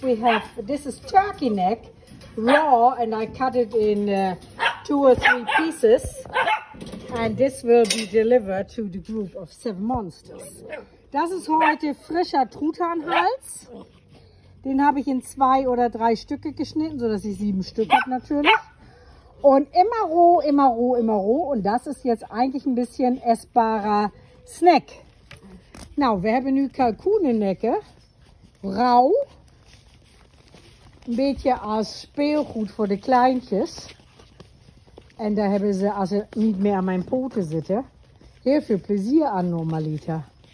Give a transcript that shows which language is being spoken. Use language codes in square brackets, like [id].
[en] We have, this is turkey neck, raw, and I cut it in two or three pieces. And this will be delivered to the group of seven monsters. [de] Das ist heute frischer Truthahnhals. Den habe ich in zwei oder drei Stücke geschnitten, sodass ich sieben Stück habe natürlich. Und immer roh, immer roh, immer roh. Und das ist jetzt eigentlich ein bisschen essbarer Snack. [nl] Nou, we hebben nu kalkoenennekken. Rauw. Een beetje als speelgoed voor de kleintjes. En daar hebben ze, als ze niet meer aan mijn poten zitten, heel veel plezier aan normaliter.